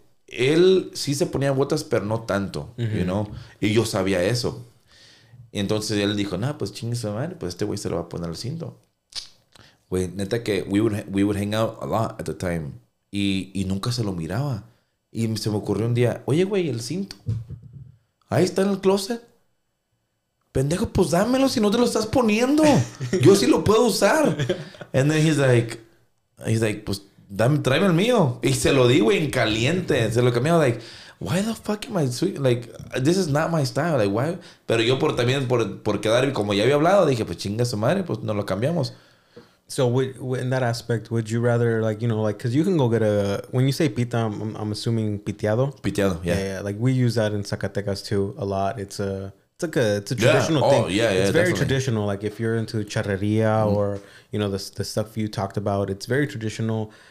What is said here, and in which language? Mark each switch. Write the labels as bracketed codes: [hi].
[es] él sí se ponía botas, pero no tanto, uh-huh. you know. Y yo sabía eso. Y entonces él dijo, nah, pues chingue su madre, pues este güey se lo va a poner al cinto. Güey, neta que [en] we would hang out a lot at the time. [es] Y nunca se lo miraba. Y se me ocurrió un día, oye, güey, el cinto. Ahí está en el closet. Pendejo, pues dámelo si no te lo estás poniendo. Yo sí lo puedo usar. [en] And then he's like, [es] pues dame, tráeme el mío. Y se lo di, güey, en caliente. Se lo cambió, [en] like, why the fuck am I sweet? Like, this is not my style. Like, why? [es] Pero yo por quedar, como ya había hablado, dije, pues chinga su madre, pues nos lo cambiamos. [en] So, in that aspect, would you rather, like, you know, like, because you can go get a, when you say pita, I'm assuming piteado. Piteado, yeah. Yeah, like, we use that in Zacatecas, too, a lot. It's a traditional thing. Oh, yeah, it's yeah, very definitely. Traditional. Like, if you're into charrería or, you know, the stuff you talked about, it's very traditional.